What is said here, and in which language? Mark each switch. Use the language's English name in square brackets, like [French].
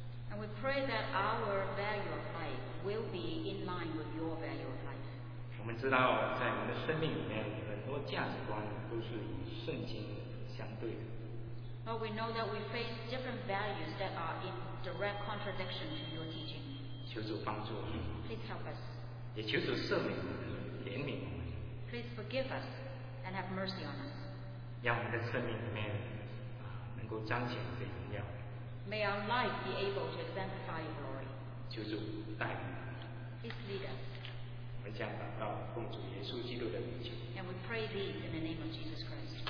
[English] And we pray that our value of life will be in line with your value of life. [Chinese] 我们知道在我们的生命里面很多价值观都是与圣经相对的。 [English] But we know that we face different values that are in direct contradiction to your teaching. [Chinese] 求主帮助我们。 [English] Please help us. [Chinese] 也求主赦免我们，怜悯我们。 [English] Please forgive us and have mercy on us. [Chinese] 让我们的生命里面能够彰显你的荣耀。 [English] May our life be able to exemplify your glory. [Chinese] 求主带领。 [English] Please lead us. [Chinese] 我们将祷告奉主耶稣基督的名求。 [English] And we pray these in the name of Jesus Christ.